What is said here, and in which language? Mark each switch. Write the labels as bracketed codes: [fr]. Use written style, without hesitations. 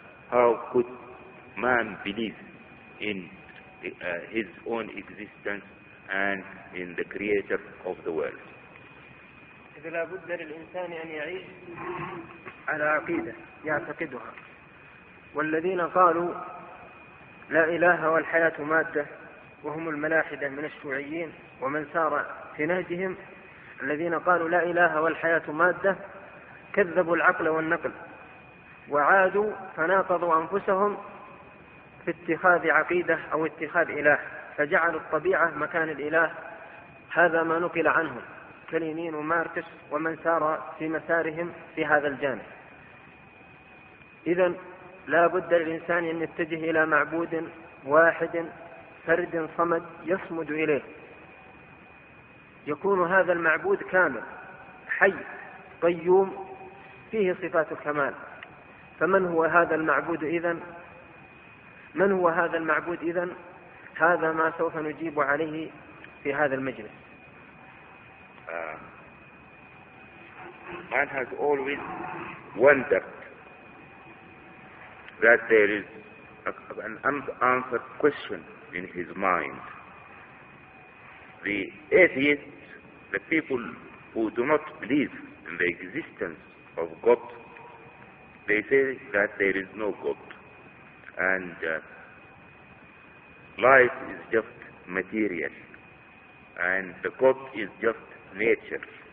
[en] How could man believe in his own existence and in the creator of the world? [ar] إذا لابد للإنسان أن يعيش على عقيدة يعتقدها. والذين قالوا لا إله والحياة مادة وهم الملاحدة من الشيوعيين ومن سار في نهجهم، الذين قالوا لا إله والحياة مادة كذبوا العقل والنقل وعادوا فناقضوا أنفسهم في اتخاذ عقيدة أو اتخاذ إله، فجعلوا الطبيعة مكان الإله. هذا ما نقل عنهم كلينين ومارتس ومن سار في مسارهم في هذا الجانب. إذن لا بد للإنسان أن يتجه إلى معبود واحد فرد صمد يصمد إليه، يكون هذا المعبود كامل حي قيوم فيه صفات الكمال. فمن هو هذا المعبود إذن؟ من هو هذا المعبود إذن؟ هذا ما سوف نجيب عليه في هذا المجلس. [en] Man has always wondered that there is an unanswered question in his mind. The atheists, the people who do not believe in the existence of God, they say that there is no God and life is just material and the God is just nature.